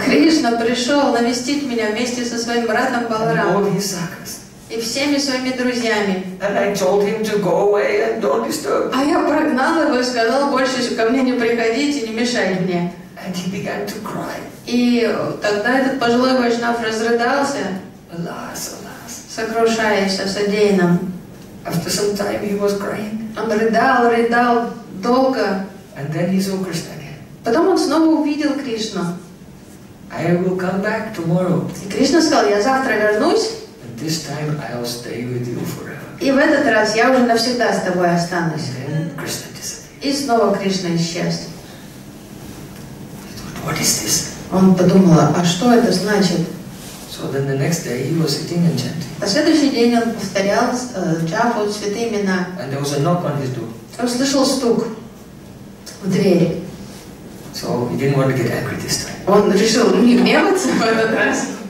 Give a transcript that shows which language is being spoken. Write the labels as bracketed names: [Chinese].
[Russian] Кришна пришел навестить меня вместе со своим братом Баларамом. [English] And all his sakas. [Russian] И всеми своими друзьями. [English] And I told him to go away and don't disturb. [Russian] А я прогнал его и сказал, больше ко мне не приходите, не мешайте мне. [English] And he began to cry. [Russian] И тогда этот пожилой вайшнав разрыдался. [English] Alas, alas. [Russian] Сокрушаясь о содеянном. [English] After some time he was crying. [Russian] Он рыдал, рыдал долго. [English] And then he saw Krishna again. [Russian] Потом он снова увидел Кришну. [English] I will come back tomorrow. [Russian] И Кришна сказал, я завтра вернусь. [English] This time I'll stay with you forever. [Russian] И в этот раз я уже навсегда с тобой останусь. [English] And then Krishna disappeared. [Russian] И снова Кришна исчез. [English] He thought, what is this? [Russian] Он подумал, а что это значит? [English] So then the next day he was sitting and chanting. [Russian] На следующий день он повторял джапу, святые имена. [English] And there was a knock on his door. [Russian] Он слышал стук в двери. [English] So he didn't want to get angry this time. [Russian] Он решил не гневаться в этот раз.